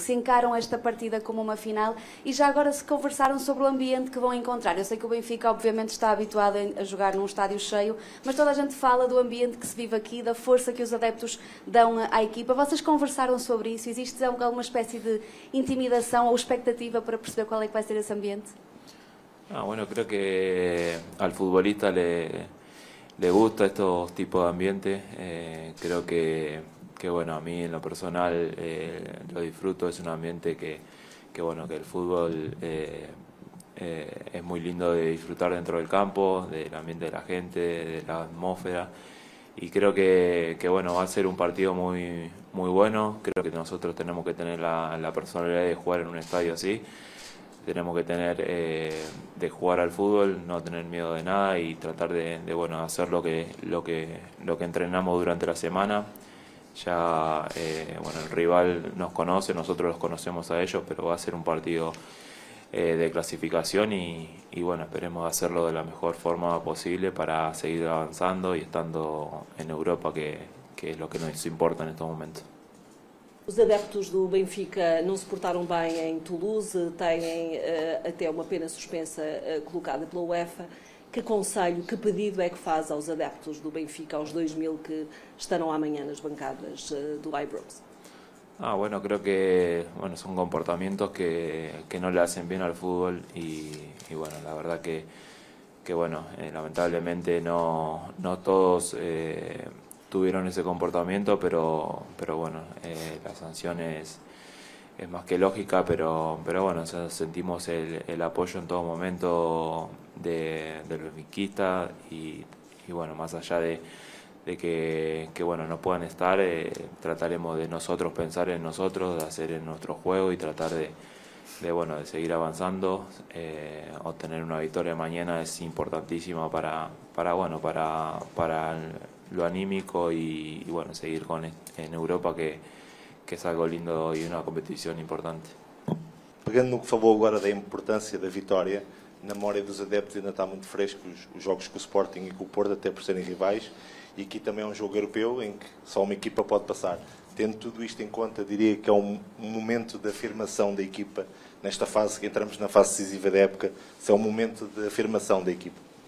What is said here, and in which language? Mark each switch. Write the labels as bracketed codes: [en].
[pt] Se encaram esta partida como uma final e já agora se conversaram sobre o ambiente que vão encontrar. Eu sei que o Benfica, obviamente, está habituado a jogar num estádio cheio, mas toda a gente fala do ambiente que se vive aqui, da força que os adeptos dão à equipa. Vocês conversaram sobre isso? Existe alguma espécie de intimidação ou expectativa para perceber qual é que vai ser esse ambiente? [es] Creo que [pt] ao futebolista [es] le gusta estos tipos de ambiente, creo que a mí en lo personal lo disfruto, es un ambiente que el fútbol es muy lindo de disfrutar dentro del campo, del ambiente de la gente, de la atmósfera, y creo que va a ser un partido muy, muy bueno. Creo que nosotros tenemos que tener la personalidad de jugar en un estadio así. Tenemos que tener de jugar al fútbol, no tener miedo de nada y tratar de hacer lo que entrenamos durante la semana. Ya el rival nos conoce, nosotros los conocemos a ellos, pero va a ser un partido de clasificación y esperemos hacerlo de la mejor forma posible para seguir avanzando y estando en Europa, que es lo que nos importa en estos momentos. [pt] Os adeptos do Benfica não se portaram bem em Toulouse, têm até uma pena suspensa colocada pela UEFA. Que conselho, que pedido é que faz aos adeptos do Benfica, aos 2.000 que estarão amanhã nas bancadas do Ibrox? [es] Creo que [pt] são comportamentos que não lhe [es] hacen [pt] bem ao futebol e a verdade que lamentavelmente não todos... [es] tuvieron ese comportamiento, pero la sanción es más que lógica, pero sentimos el apoyo en todo momento de los benfiquistas y más allá de que no puedan estar, trataremos de nosotros pensar en nosotros, de hacer en nuestro juego y tratar de seguir avanzando. Obtener una victoria mañana es importantísima para lo anímico y seguir con en Europa, que es algo lindo y una competición importante. [pt] Pegando no que falou agora da importância da vitória, na memória dos adeptos ainda está muito fresco os jogos com o Sporting e com o Porto, até por serem rivais, e aqui também é um jogo europeu em que só uma equipa pode passar. Tendo tudo isto em conta, diria que é um momento de afirmação da equipa nesta fase, que entramos na fase decisiva da época, se é um momento de afirmação da equipa.